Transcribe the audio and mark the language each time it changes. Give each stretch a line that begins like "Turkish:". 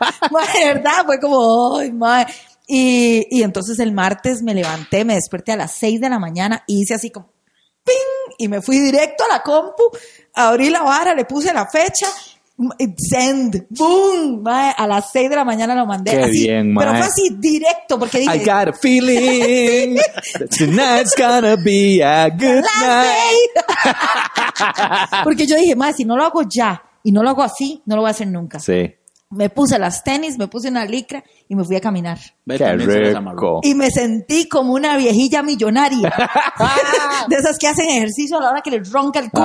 Spanish: Ma, de verdad, fue como, ay, madre. Y entonces el martes me levanté, me desperté a las 6 de la mañana y hice así como ¡ping! Y me fui directo a la compu, abrí la vara, le puse la fecha, send, boom, mae, a las 6 de la mañana lo mandé. Qué así, bien, mae. Pero fue así directo porque dije,
English: I got a feeling tonight's gonna be a good last night.
Spanish: Porque yo dije, mae, si no lo hago ya y no lo hago así, no lo voy a hacer nunca. Sí. Me puse las tenis, me puse una licra y me fui a caminar. ¡Qué rico! Y me sentí como una viejilla millonaria. De esas que hacen ejercicio a la hora que les ronca el culo.